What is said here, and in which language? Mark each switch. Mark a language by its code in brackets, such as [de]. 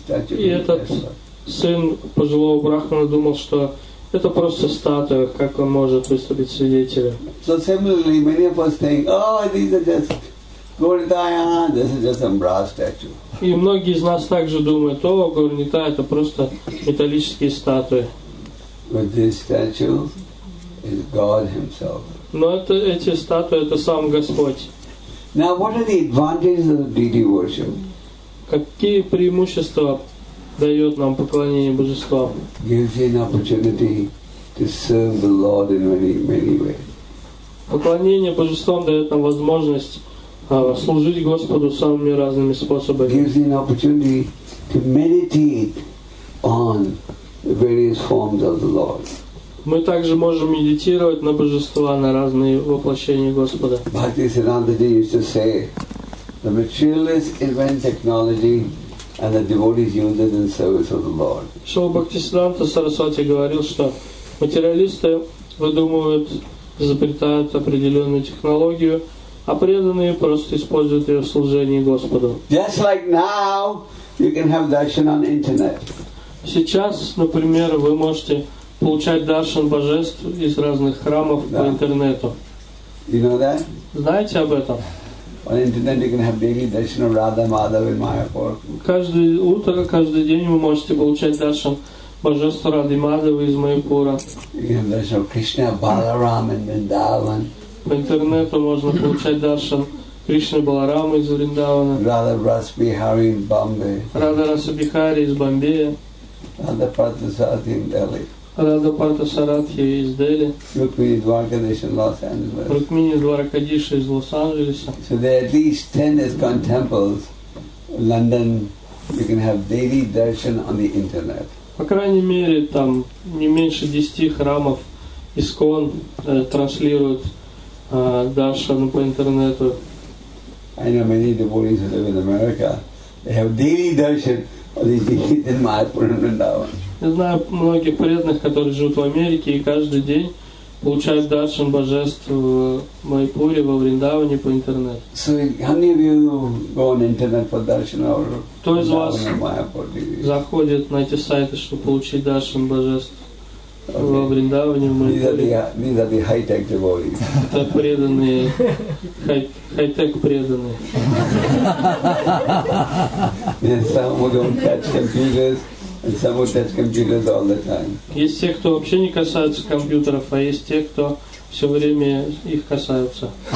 [ru] И этот сын пожилого брахмана думал, что это просто статуя, как он может выступить свидетелем. [en] So similarly, many of us think, oh, these are just Gaudiya, this is just some brass statue. [ru] И многие из нас также думают: о, Гурнита, это просто металлические статуи. [en] But this statue is God Himself. [ru] Но эти статуи — это сам Господь. [en] Now, what are the advantages of deity worship? [ru] Какие преимущества дает нам поклонение божества? [en] Gives you an opportunity to serve the Lord in many, many ways. [ru] Поклонение божеством дает нам возможность служить Господу самыми разными способами. [en] Gives you an opportunity to meditate on the various forms of the Lord. [ru] Мы также можем медитировать на божества, на разные воплощения Господа. [en] Bhakti Siddhanta Ji used to say, the materialist invent technology and the devotees use it in service of the Lord. [ru] Шрила Бхакти Сиддханта Сарасвати говорил, что материалисты выдумывают, изобретают определенную технологию, а преданные просто используют ее в служении Господу. [en] Just like now, you can have darshan on internet. [ru] Сейчас, например, вы можете получать даршан божеств из разных храмов по интернету. [en] You know that? [ru] Знаете об этом? [en] On internet you can have daily darshan of Radha Madhava in Mayapur. [ru] Каждое утро, каждый день вы можете получать даршан божеств Радхи Мадхавы из Майяпура. [en] You can have darshan of Krishna Balaram in Vrindavan. [ru] По интернету можно получать даршан Кришны Баларамы из Вриндавана. [en] Radha Rasbihari in Bombay. [ru] Radha Rasbihari из Бомбея. [en] Radha Pratasati in Delhi. [ru] Radha Partha Sarathi из Дели. [en] Rukmini Dwarakadish in Los Angeles. [ru] Rukmini Dwarakadish из Лос-Анджелеса. [en] So there are at least 10 ISKCON temples in London. You can have daily darshan on the internet. [ru] По крайней мере, там не меньше 10 храмов ISKCON транслируют даршан по интернету. [en] I know many devotees who live in America. They have daily darshan on the in Mayapur and Vrindavan. [ru] Я знаю многих преданных, которые живут в Америке и каждый день получают даршан божеств в Майпуре, во Вриндаване по интернету. [en] So, how many of you go on internet for darshan or [ru] Кто из вас заходит на эти сайты, чтобы получить даршан божеств во Вриндаване, в Майпуре? [en] These are the high-tech devotees. [ru] Это преданные, high-tech преданные. [en] And some don't catch computers. And some of them touch computers all the time. [ru] Есть те, кто вообще не касаются компьютеров, а есть те, кто все время их касаются.